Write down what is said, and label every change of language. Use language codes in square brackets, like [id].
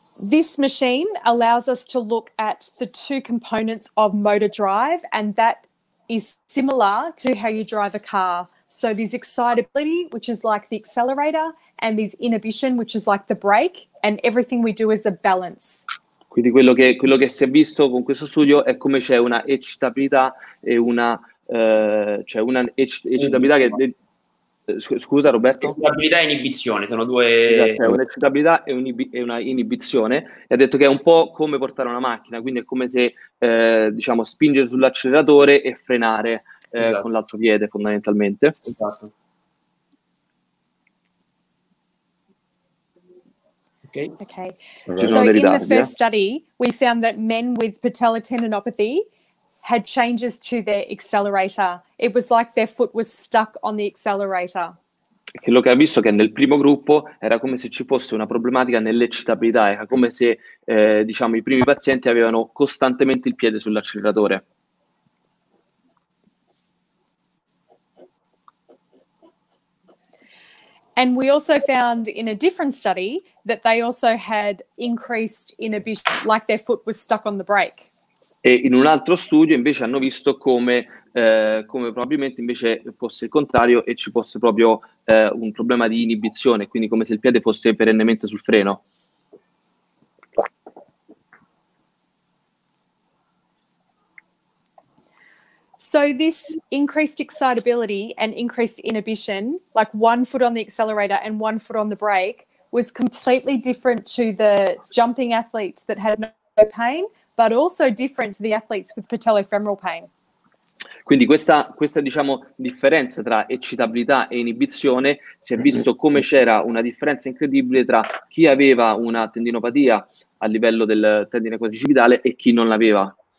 [en] This machine allows us to look at the two components of motor drive and that is similar to how you drive a car. So there's excitability, which is like the accelerator, and there's inhibition, which is like the brake, and everything we do is a balance. [it] Quindi quello che si è visto con questo studio è come c'è una eccitabilità e una cioè una eccitabilità che scusa Roberto? Eccitabilità e inibizione, sono due... Esatto, un'eccitabilità e una inibizione. E ha detto che è un po' come portare una macchina, quindi è come se, diciamo, spingere sull'acceleratore e frenare esatto. Con l'altro piede, fondamentalmente. Esatto. Okay. Ci sono dei ritardi, [en] in the first study, we found that men with patellar tendinopathy had changes to their accelerator. It was like their foot was stuck on the accelerator. [it] Quello che ha visto che nel primo gruppo era come se ci fosse una problematica nell'eccitabilità, era come se diciamo i primi pazienti avevano costantemente il piede sull'acceleratore. [en] And we also found in a different study that they also had increased inhibition, like their foot was stuck on the brake. [it] E in un altro studio invece hanno visto come probabilmente invece fosse il contrario e ci fosse proprio un problema di inibizione, quindi come se il piede fosse perennemente sul freno. [en] So this increased excitability and increased inhibition, like one foot on the accelerator and one foot on the brake, was completely different to the jumping athletes that had no pain, but also different to the athletes with patellofemoral pain. [it] Quindi questa diciamo differenza tra eccitabilità e inibizione si è visto come c'era una differenza incredibile tra chi aveva una tendinopatia a livello del tendine quadricipitale e chi non l'aveva.